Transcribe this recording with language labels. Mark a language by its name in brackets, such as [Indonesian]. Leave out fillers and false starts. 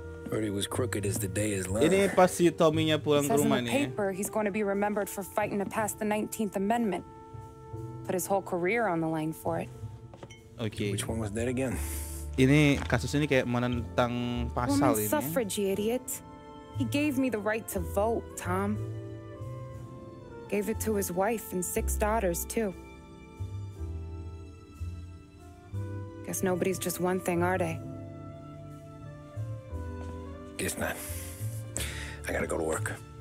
[English] Heard he was crooked as the day is long. [Indonesian] Ini pas si Tommy-nya pulang ke rumah nih. [English] Says in the paper he's going to be remembered for fighting to pass the 19th Amendment. Put his whole career on the line for it. Okay. Which one was that again? [Indonesian] Ini kasus ini kayak menentang pasal [English] ini. Woman suffrage, you idiot. He gave me the right to vote, Tom. Gave it to his wife and six daughters too. Guess nobody's just one thing, are they? Guess not. I gotta go to work.